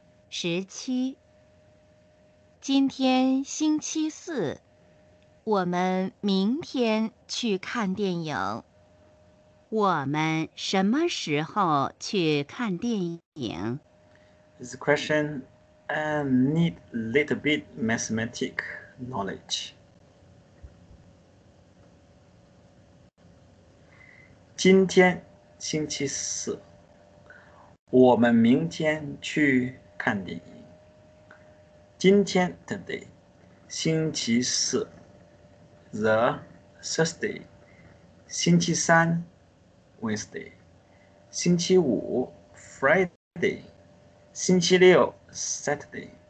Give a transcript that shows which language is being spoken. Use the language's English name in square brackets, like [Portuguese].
[Chinese] 十七。今天星期四。我们明天去看电影。我们什么时候去看电影？ [English] This question need a little bit mathematic knowledge. [Chinese] 今天星期四，我们明天去看电影。今天 today, 星期四 the Thursday, 星期三 Wednesday, 星期五 Friday, 星期六 Saturday.